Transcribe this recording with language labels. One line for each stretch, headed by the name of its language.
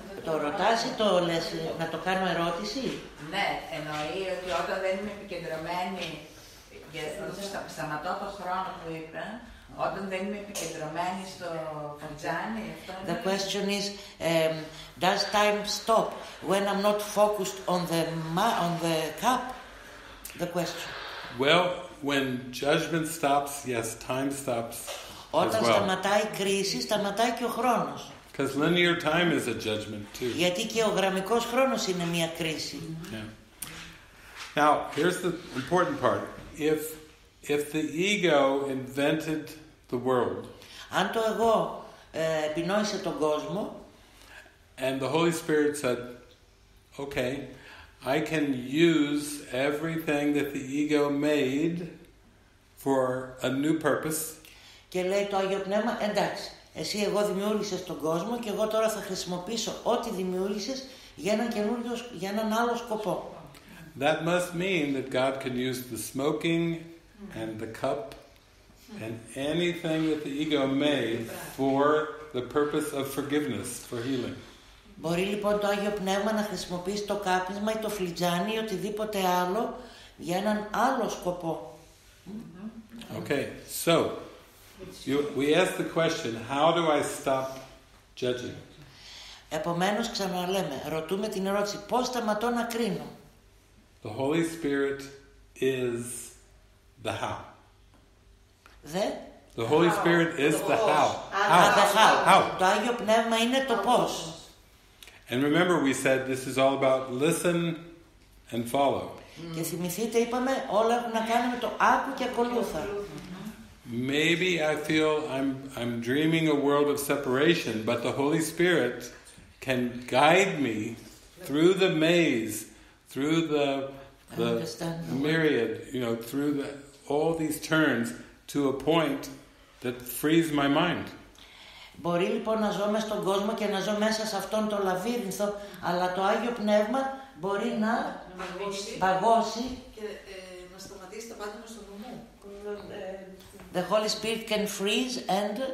Greek: Το ρωτάς ή το λες να το κάνω ερώτηση? Ναι, εννοεί ότι όταν δεν είμαι επικεντρωμένη, γιατί σταματώ το χρόνο που είπα, όταν δεν είμαι επικεντρωμένη στο φλιτζάνι, αυτό.
English: The question is, does time stop when I'm not focused on the cup? The question. Well, when judgment stops, yes, time stops.
Greek: Όταν σταματάει η κρίση, σταματάει και ο χρόνος.
English: Because linear time is a judgment too.
Greek: Γιατί και ο γραμμικός χρόνος είναι μια κρίση.
English: Yeah. Now, here's the important part. If the ego invented the world,
Greek: αν το εγώ επινόησε τον κόσμο,
English: and the Holy Spirit said, okay, I can use everything that the ego made for a new purpose.
Greek: Και λέει το Άγιο Πνεύμα, εντάξει, εσύ εγώ δημιούργησες τον κόσμο και εγώ τώρα θα χρησιμοποιήσω ό,τι δημιούργησες για έναν καινούριο, για έναν άλλο σκοπό.
English: That must mean that God can use the smoking and the cup and anything that the ego made for the purpose of forgiveness, for healing.
Greek: Μπορεί λοιπόν το Άγιο Πνεύμα να χρησιμοποιήσει το κάπνισμα ή το φλιτζάνι ή οτιδήποτε άλλο για έναν άλλο σκοπό.
English: Okay, so, we ask the question, how do I stop judging?
Greek: Επομένως, ξαναλέμε, ρωτούμε την ερώτηση, πώς σταματώ να κρίνω?
English: The Holy Spirit is the how. The Holy Spirit is the how. How?
Greek: Το Άγιο Πνεύμα είναι το πώς.
English: And remember, we said this is all about listen and follow.
Greek: Και θυμηθείτε, είπαμε, όλα έχουν να κάνουν με το άκου και ακολούθα.
English: Maybe I feel I'm dreaming a world of separation, but the Holy Spirit can guide me through the maze, through the myriad, you know, through the all these turns to a point that frees my mind.
Greek: Μπορεί λοιπόν να ζω μέσα στον κόσμο και να ζω μέσα σε αυτόν τον λαβύρινθο, αλλά το Άγιο Πνεύμα μπορεί να παγώσει και να σταματήσει τα πάντα στο νου μου.
English: The Holy Spirit can freeze and